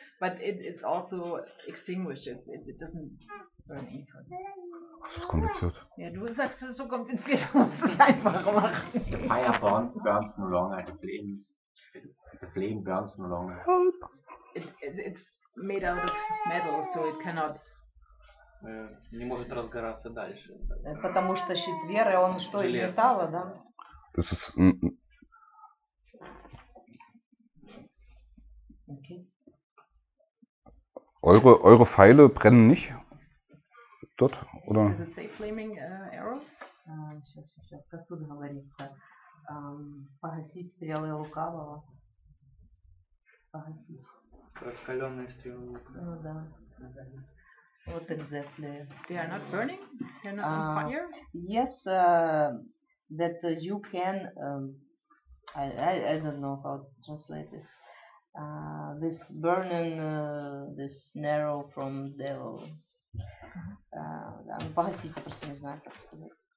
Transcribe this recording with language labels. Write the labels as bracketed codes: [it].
[en] But it's also extinguished. It doesn't burn any further. [de] Das ist kompliziert. Ja, du sagst, es ist so kompliziert, du musst es einfacher machen. [en] The fire burns no longer. The flame burns no longer. It's made out of metal, so it cannot... [ru] Не может разгораться дальше. Потому что щит веры, он что, из металла, да? [en] This is... Okay. [de] Eure Pfeile brennen nicht dort, oder? [en] Does it say flaming arrows? [ru] Сейчас, как тут говорится, погасить стрелы лукавого. Погасить. Раскаленные стрелы лукавого. Ну да. Вот [en] exactly. They are not burning? They are not on fire? Yes, that you can, I don't know how to translate this. This burning, this narrow from devil. [ru] Погасите, просто не знаю, как сказать.